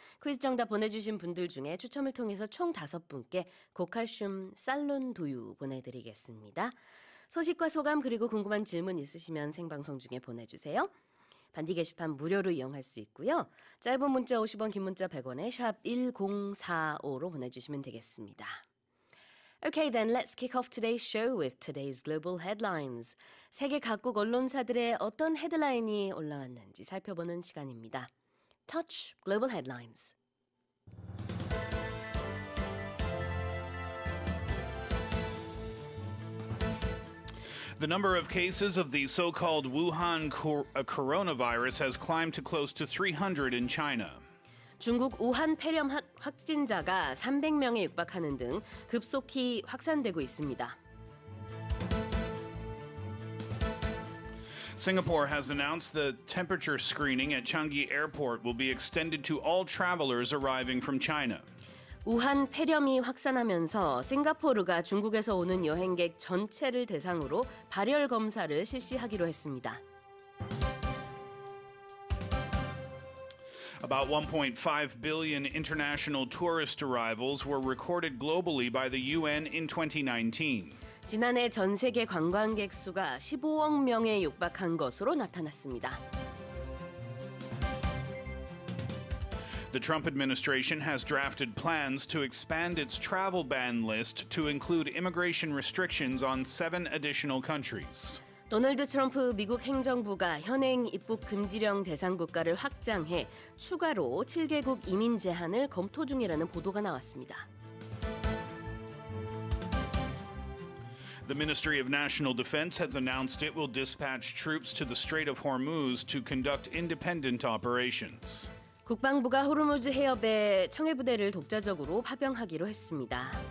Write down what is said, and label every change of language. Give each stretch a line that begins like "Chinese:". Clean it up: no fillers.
Korean: 퀴즈 정답 보내주신 분들 중에 추첨을 통해서 총 5분께 고칼슘 살론 두유 보내드리겠습니다. 소식과 소감 그리고 궁금한 질문 있으시면 생방송 중에 보내주세요. 반디 게시판 무료로 이용할 수 있고요. 짧은 문자 50원, 긴 문자 100원에 샵 1045로 보내주시면 되겠습니다.
English: Okay, then let's kick off today's show with today's global headlines.
Korean: 세계 각국 언론사들의 어떤 헤드라인이 올라왔는지 살펴보는 시간입니다.
English: Touch global headlines. The number of cases of the so-called Wuhan coronavirus has climbed to close to 300 in China.
Korean: 중국 우한 폐렴 확진자가 300명에 육박하는 등 급속히 확산되고 있습니다.
English: Singapore has announced the temperature screening at Changi Airport will be extended to all travelers arriving from China.
Korean: 우한 폐렴이 확산하면서 싱가포르가 중국에서 오는 여행객 전체를 대상으로 발열 검사를 실시하기로 했습니다.
English: About 1.5 billion international tourist arrivals were recorded globally by the UN in 2019.
Korean: 지난해 전 세계 관광객 수가 15억 명에 육박한 것으로 나타났습니다.
English: The Trump administration has drafted plans to expand its travel ban list to include immigration restrictions on 7 additional countries.
Korean: 도널드 트럼프 미국 행정부가 현행 입국 금지령 대상 국가를 확장해 추가로 7개국 이민 제한을 검토 중이라는 보도가 나왔습니다.
English: The Ministry of National Defense has announced it will dispatch troops to the Strait of Hormuz to conduct independent operations.
Korean: 국방부가 호르무즈 해협에 청해 부대를 독자적으로 파병하기로 했습니다.